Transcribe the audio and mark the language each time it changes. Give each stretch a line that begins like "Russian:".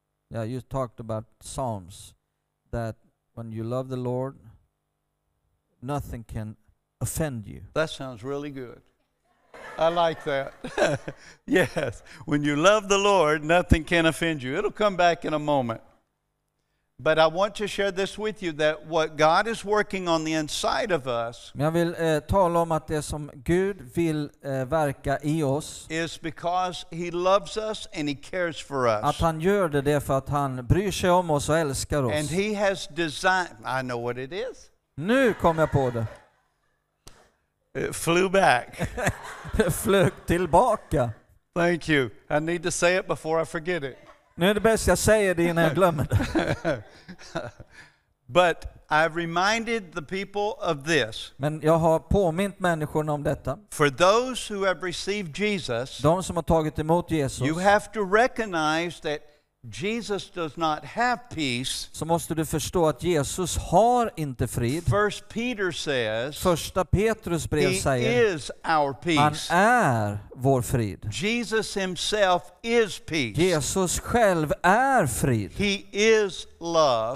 English: Yeah, you talked about Psalms, that when you love the Lord, nothing can offend you. That sounds really good. I like that. Yes. When you love the Lord, nothing can offend you. It'll come back in a moment. But I want to share this with you, that what God is working on the inside of us,
Swedish: jag vill tala om att det som Gud vill verka i oss,
English: is because he loves us and he cares for us.
Swedish: Att han gör det är för att han bryr sig om oss och älskar oss.
English: And he has designed, I know what it is.
Swedish: Nu kom jag på det.
English: It flew back.
Swedish: Det flög tillbaka.
English: Thank you. I need to say it before I forget it.
Swedish: Nu är det bäst jag säger det innan jag glömmer det.
English: But I reminded the people of this.
Swedish: Men jag har påmint människorna om detta.
English: For those who have received Jesus,
Swedish: de som har tagit emot Jesus,
English: you have to recognize that Jesus does not have peace.
Swedish: Så måste du förstå att Jesus har inte frid.
English: First Peter says.
Swedish: Första Petrus brev säger.
English: He is our peace.
Swedish: Han är vår frid.
English: Jesus himself is peace.
Swedish: Jesus själv är frid.
English: He is love.